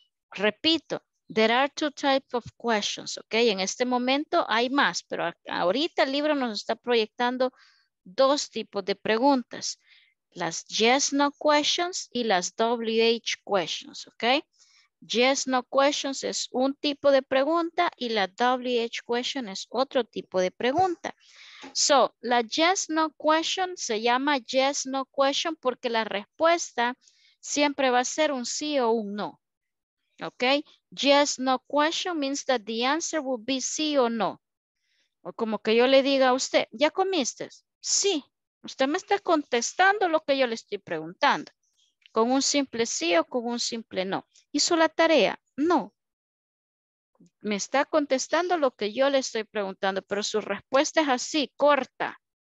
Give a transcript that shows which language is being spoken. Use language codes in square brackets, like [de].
[es] Repito, [en] there are two types of questions, [es] ok, en este momento hay más, pero ahorita el libro nos está proyectando dos tipos de preguntas, las yes, no questions y las WH questions, ok, yes, no questions es un tipo de pregunta y la WH question es otro tipo de pregunta. So, la yes, no question se llama yes, no question porque la respuesta siempre va a ser un sí o un no. [en] Ok, yes, no question means that the answer will be [es] sí o no. O como que yo le diga a usted, ¿ya comiste? Sí, usted me está contestando lo que yo le estoy preguntando. Con un simple sí o con un simple no. ¿Hizo la tarea? No. Me está contestando lo que yo le estoy preguntando, pero su respuesta es así, corta.